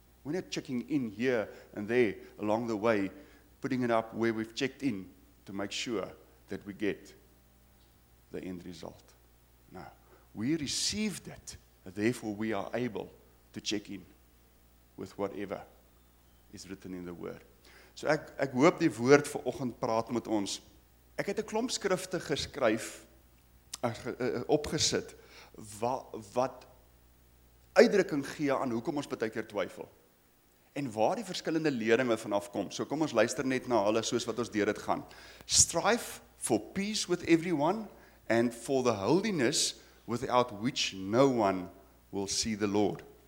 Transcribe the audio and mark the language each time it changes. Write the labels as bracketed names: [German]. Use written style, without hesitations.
[English] We're not checking in here and there along the way, putting it up where we've checked in to make sure that we get the end result. No, we received it, therefore we are able to check in with whatever is written in the Word. [Afrikaans] So ek hoop die woord vanoggend praat met ons. Ek het 'n klomp skrifte geskryf, opgesit, wat uitdrukking gee aan hoekom ons baie keer twyfel. En waar die verskillende leringe vanaf kom. So kom ons luister net na hulle soos wat ons deur dit gaan. [English] Strive for peace with everyone and for the holiness without which no one will see the Lord.